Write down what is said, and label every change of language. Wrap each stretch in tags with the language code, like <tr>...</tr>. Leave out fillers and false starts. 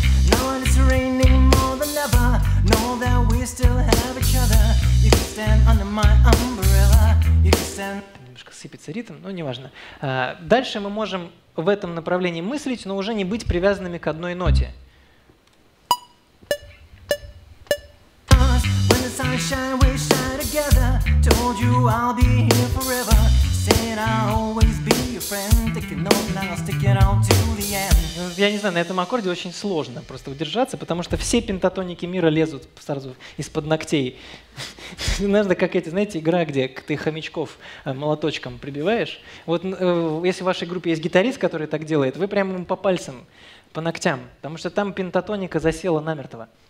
<en>Now when it's raining more than ever, know that we still have each other. You can stand under my umbrella. You can stand.</en> <ru>Немножко сыпется ритм, но неважно. Дальше мы можем в этом направлении мыслить, но уже не быть привязанными к одной ноте.</ru> <en>When the sunshine we shine together, told you I'll be here forever. Said I'll always be your friend, taking off now, sticking on to the end.</en> <ru>Я не знаю, на этом аккорде очень сложно просто удержаться, потому что все пентатоники мира лезут сразу из-под ногтей. Надо как эти, знаете, игра, где ты хомячков молоточком прибиваешь. Вот если в вашей группе есть гитарист, который так делает, вы прямо ему по пальцам, по ногтям, потому что там пентатоника засела намертво.</ru>